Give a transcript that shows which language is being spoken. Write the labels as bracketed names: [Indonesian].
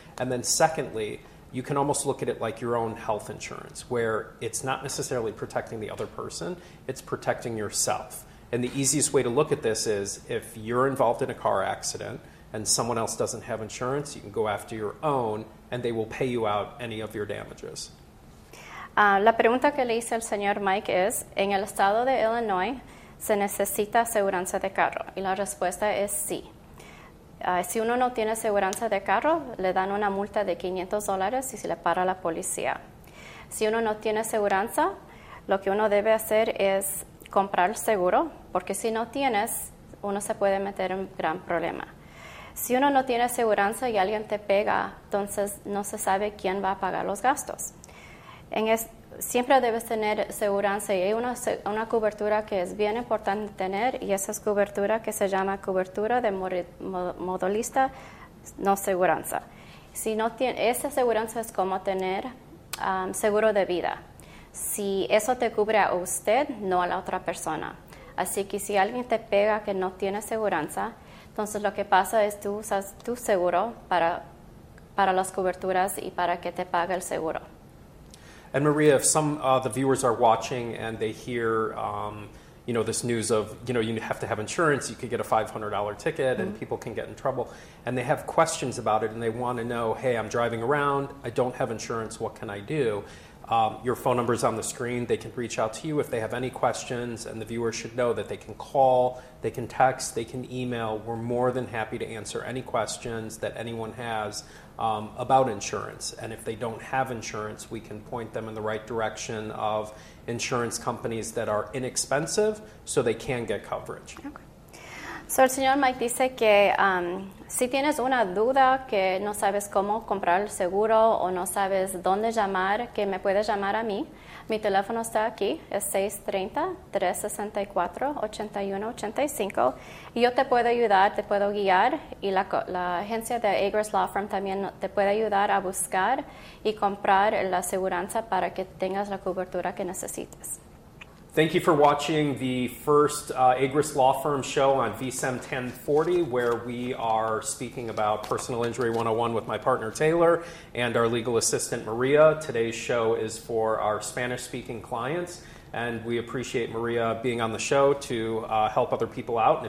[English] And then secondly, you can almost look at it like your own health insurance, where it's not necessarily protecting the other person, it's protecting yourself. And the easiest way to look at this is if you're involved in a car accident and someone else doesn't have insurance, you can go after your own and they will pay you out any of your damages. [Spanish] La pregunta que le hice al señor Mike es, ¿en el estado de Illinois se necesita aseguranza de carro? Y la respuesta es sí. Si uno no tiene aseguranza de carro, le dan una multa de $500 y se le para la policía. Si uno no tiene aseguranza, lo que uno debe hacer es comprar seguro, porque si no tienes, uno se puede meter en un gran problema. Si uno no tiene aseguranza y alguien te pega, entonces no se sabe quién va a pagar los gastos. Siempre debes tener aseguranza y hay una cobertura que es bien importante tener, y esa es cobertura que se llama cobertura de modalista no aseguranza. Si no tiene, esa aseguranza es como tener seguro de vida. Si eso te cubre a usted, no a la otra persona. Así que si alguien te pega que no tiene aseguranza, entonces lo que pasa es tú usas tu seguro para las coberturas y para que te pague el seguro. [English] And Maria, if some of the viewers are watching and they hear, you know, this news of, you know, you have to have insurance, you could get a $500 ticket, mm-hmm. and people can get in trouble, and they have questions about it and they want to know, hey, I'm driving around, I don't have insurance, what can I do? Your phone number is on the screen. They can reach out to you if they have any questions, and the viewers should know that they can call, they can text, they can email. We're more than happy to answer any questions that anyone has about insurance. And if they don't have insurance, we can point them in the right direction of insurance companies that are inexpensive so they can get coverage. [Spanish] Okay. So el señor Mike dice que si tienes una duda que no sabes cómo comprar el seguro o no sabes dónde llamar, que me puedes llamar a mí. Mi teléfono está aquí, es 630-364-8185. Y yo te puedo ayudar, te puedo guiar, y la agencia de Agruss Law Firm también te puede ayudar a buscar y comprar la aseguranza para que tengas la cobertura que necesites. [English] Thank you for watching the first Agruss Law Firm show on VSEM 1040, where we are speaking about Personal Injury 101 with my partner Taylor and our legal assistant Maria. Today's show is for our Spanish-speaking clients, and we appreciate Maria being on the show to help other people out.